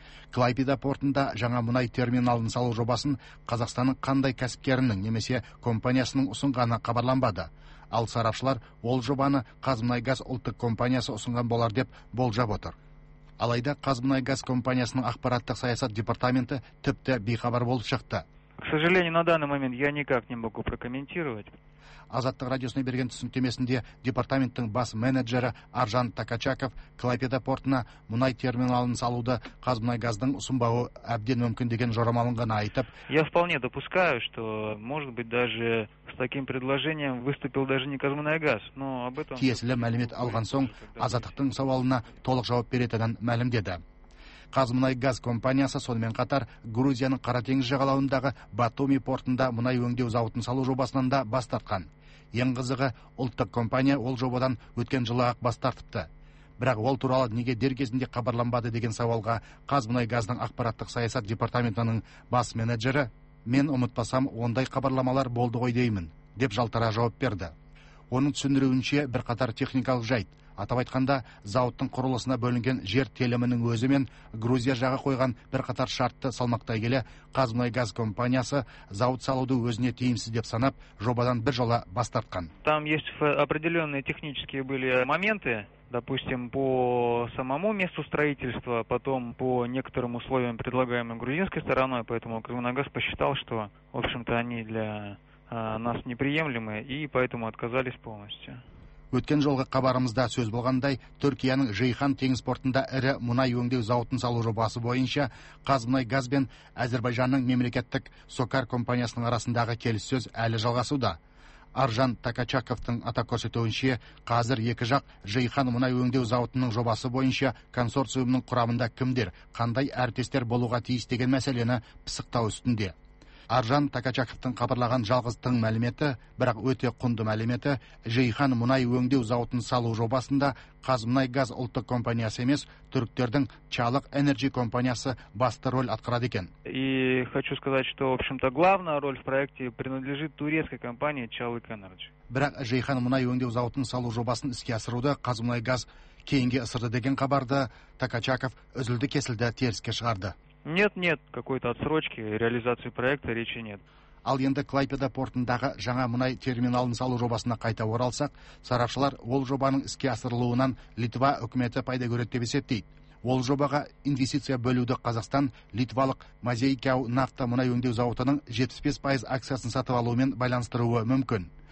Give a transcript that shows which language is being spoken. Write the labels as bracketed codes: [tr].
[kk] Клайпеда портында жаңа мұнай терминалын салу жобасын Қазақстанның қандай кәсіпкерінің немесе компаниясының ұсынғаны хабарланбады. Ал сарапшылар ол жобаны Қазмұнайгаз ұлттық компаниясы ұсынған болар деп болжап отыр. Алайда Қазмұнайгаз компаниясының ақпараттық саясат департаменті тіпті бейхабар болып шықты. [ru] К сожалению, на данный момент я никак не могу прокомментировать. [kk] Азаттық радиосына берген түсініктемесінде департаменттің бас менеджері Аржан Такачаков Клайпеда портына мұнай терминалын салуды Қазмұнайгаздың ұсынбауы әбден мүмкін деген жорамалын ғана айтып. [ru] Я вполне допускаю, что может быть даже с таким предложением выступил даже не Казмунайгаз, но об этом. [kk] Тиесілі мәлімет алған соң Азаттықтың сауалына толық жауап беретінін мәлімдеді. Қазмұнайгаз компаниясы сонымен қатар Грузияның Қаратеңіз жағалауындағы Батуми портында мұнай өңдеу зауытын салу жобасынан да бас тартқан. Ең қызығы, ұлттық компания ол жобадан өткен жылы-ақ бас тартыпты. Бірақ ол туралы неге дер кезінде хабарланбады деген сауалға Қазмұнайгаздың ақпараттық саясат департаментінің бас менеджері «Мен ұмытпасам, ондай хабарламалар болды ғой деймін» деп жалтара жауап берді. Оның түсіндіруінше бірқатар техникалық жайт. Атап айтқанда, зауыттың құрылысына бөлінген жер телімінің өзімен Грузия жағы қойған бірқатар шартты салмақтай келе, Қазмұнайгаз компаниясы зауыт салуды өзіне тиімсіз деп санап, жобадан бір жола бас тартқан. [ru] Там есть определенные технические были моменты, допустим, по самому месту строительства, потом по некоторым условиям, предлагаемым грузинской стороной, поэтому Казмунайгаз посчитал, что, в общем-то, они для нас неприемлемы и поэтому отказались полностью. [kk] Өткен жолғы қабарымызда сөз болғандай, Түркияның Жейхан теңіз портында ірі мұнай өңдеу зауытын салу жобасы бойынша Қазмұнайгаз бен Әзербайжанның мемлекеттік Сокар компаниясының арасындағы келіссөз әлі жалғасуда. Аржан Такачаковтың атап көрсетуінше, қазір екі жақ Жейхан мұнай өңдеу зауытының жобасы бойынша консорциумның құрамында кімдер, қандай әріптестер болуға тиіс деген мәселені пысықтау үстінде. Аржан Такачаковтың хабарлаған жалғыз тың мәліметі, бірақ өте құнды мәліметі, Жейхан мұнай өңдеу зауытын салу жобасында Қазмұнайгаз ұлттық компаниясы емес, түріктердің Чалық Энерджи компаниясы басты рөл атқарады екен. [ru] И хочу сказать, что, в общем-то, главная роль в проекте принадлежит турецкой компании Чалык Энерджи. [kk] Бірақ Жейхан мұнай өңдеу зауытын салу жобасын іске асыруды Қазмұнайгаз кейінге ысырды деген хабарды Такачаков үзілді-кесілді теріске шығарды. [ru] Нет, какой-то отсрочки реализации проекта речи нет. [kk] Ал енді Клайпеда портындағы жаңа мұнай терминалын салу жобасына қайта оралсақ, сарапшылар ол жобаның іске асырылуынан Литва үкіметі пайда көреді деп есептейді. Ол жобаға инвестиция бөлуді Қазақстан литвалық Мазейкау нафта мұнай өңдеу зауытының 75% акциясын сатып алуымен байланыстыруы мүмкін.